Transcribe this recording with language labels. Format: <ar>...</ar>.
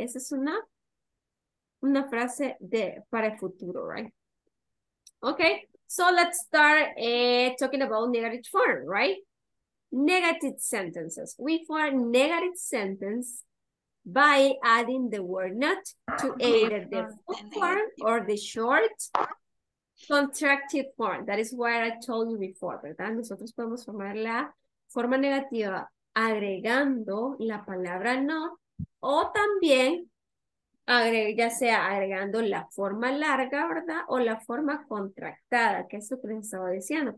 <es>Esa es una frase de para el futuro, right?</es> <en>Okay, so let's start talking about negative form, right? Negative sentences. We form negative sentence by adding the word not to either the full form or the short contracted form. That is what I told you before, ¿verdad?</en> <es>Nosotros podemos formar la forma negativa agregando la palabra no o también agregando la forma larga, ¿verdad? O la forma contractada, que es lo que les estaba diciendo.</es>